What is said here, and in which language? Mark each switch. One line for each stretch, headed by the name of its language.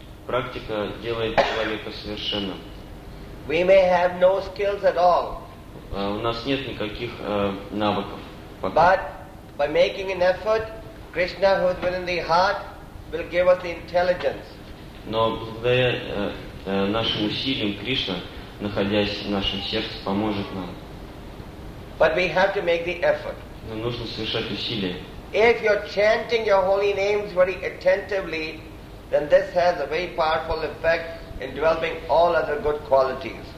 Russian: Практика делает человека совершенным.
English: We may have no skills at all.
Russian: У нас нет никаких навыков.
English: But by making an effort, Krishna who is within the heart will give us the intelligence.
Russian: Но благодаря нашим усилиям Кришна, находясь в нашем сердце, поможет нам.
English: But we have to make the effort.
Russian: Но нужно совершать усилия.
English: If you're chanting your holy names very attentively, then this has a very powerful effect in developing all other good qualities.